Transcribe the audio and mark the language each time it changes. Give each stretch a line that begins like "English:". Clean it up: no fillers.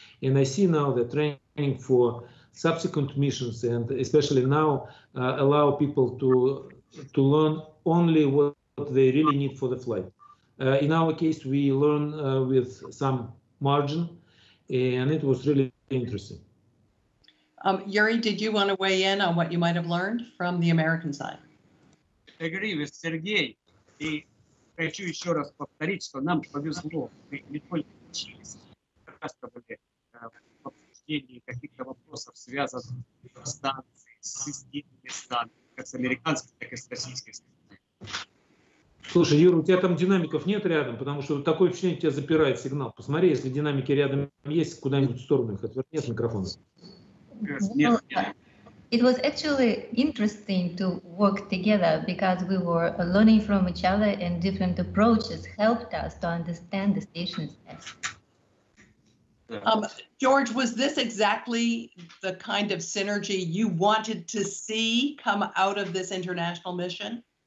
English: And I see now that training for subsequent missions, and especially now, allow people to learn only what they really need for the flight. In our case, we learn with some margin, and it was really interesting. Yuri, did you want to weigh in on what you might have learned from the American side? I agree with Sergei.
Russian: Хочу еще раз повторить, что нам повезло, мы не только учились, как раз были в обсуждении каких-то вопросов, связанных с станцией, с системами станции, как с американской, так и с российской станцией. Слушай, Юра, у тебя там динамиков нет рядом, потому что такое ощущение, тебя запирает сигнал. Посмотри, если динамики рядом есть, куда-нибудь в сторону их отверни от микрофона. Нет.
English: It was actually interesting to work together because we were learning from each other, and different approaches helped us to understand the station's best. George, was this exactly the kind of synergy you wanted to see come out of this international mission?